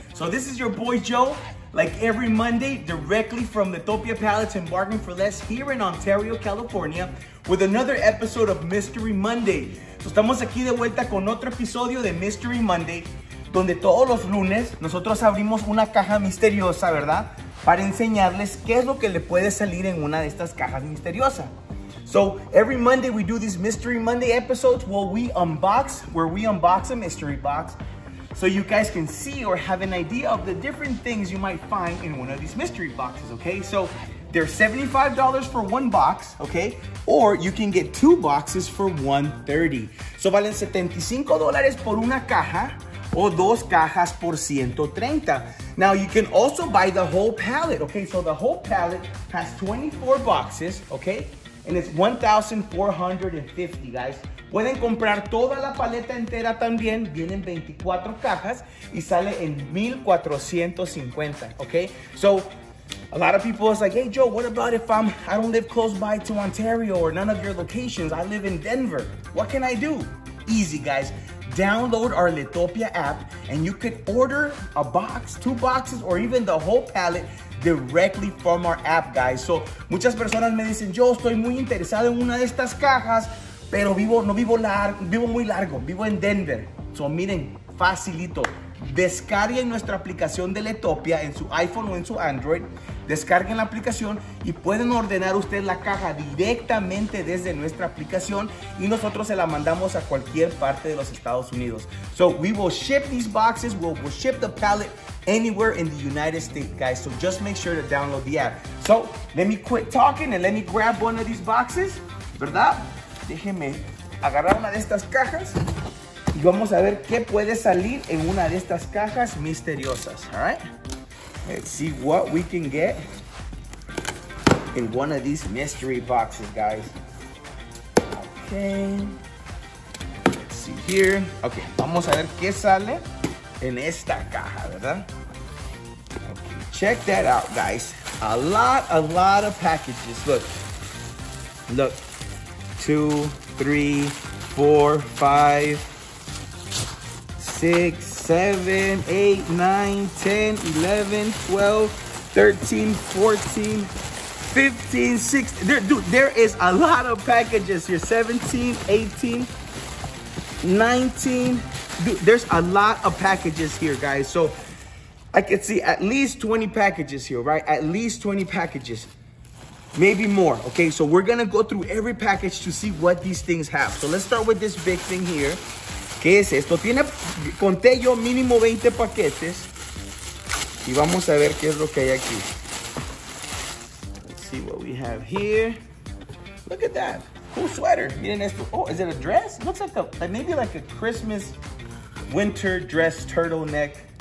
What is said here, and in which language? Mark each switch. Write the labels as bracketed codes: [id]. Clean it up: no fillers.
[en] So this is your boy Joe, like every Monday, directly from Lettopia Pallets and Barking for Less here in Ontario, California, with another episode of Mystery Monday. [es] So estamos aquí de vuelta con otro episodio de Mystery Monday, donde todos los lunes nosotros abrimos una caja misteriosa, ¿verdad? Para enseñarles qué es lo que le puede salir en una de estas cajas misteriosas. [en] So, every Monday we do these Mystery Monday episodes where we unbox a mystery box so you guys can see or have an idea of the different things you might find in one of these mystery boxes, okay? So, they're $75 for one box, okay? Or you can get two boxes for $130. [es] So, valen $75 por una caja o dos cajas por $130. [en] Now, you can also buy the whole pallet, okay? So the whole pallet has 24 boxes, okay? And it's $1,450, guys. [es] Pueden comprar toda la paleta entera también. Vienen 24 cajas y sale en $1,450, okay? [en] So a lot of people is like, hey, Joe, what about if I don't live close by to Ontario or none of your locations? I live in Denver. What can I do? Easy, guys. Download our Lettopia app and you could order a box, two boxes, or even the whole pallet directly from our app, guys. [es] So, muchas personas me dicen, yo estoy muy interesado en una de estas cajas, pero vivo muy largo, vivo en Denver. So, miren, facilito. Descarguen nuestra aplicación de Lettopia en su iPhone o en su Android. Descarguen la aplicación y pueden ordenar usted la caja directamente desde nuestra aplicación y nosotros se la mandamos a cualquier parte de los Estados Unidos. [en] So we will ship these boxes, we'll ship the pallet anywhere in the United States, guys. So just make sure to download the app. So let me quit talking and let me grab one of these boxes, ¿verdad? [es] Déjeme agarrar una de estas cajas y vamos a ver qué puede salir en una de estas cajas misteriosas, [en] all right? Let's see what we can get in one of these mystery boxes, guys. Okay. Let's see here. [es] Okay, vamos a ver qué sale en esta caja, ¿verdad? [en] Okay, check that out, guys. A lot of packages. Look. 2, 3, 4, 5, 6, 7, 8, 9, 10, 11, 12, 13, 14, 15, 16. There is a lot of packages here. 17, 18, 19. Dude, there's a lot of packages here, guys. So I could see at least 20 packages here, right? At least 20 packages. Maybe more. Okay, so we're gonna go through every package to see what these things have. So let's start with this big thing here. [es] ¿Qué es esto? Tiene, conté yo mínimo 20 paquetes. Y vamos a ver qué es lo que hay aquí. [en] Let's see what we have here. Look at that. Cool sweater. [es] Miren esto. [en] Oh, is it a dress? Looks like maybe like a Christmas winter dress turtleneck.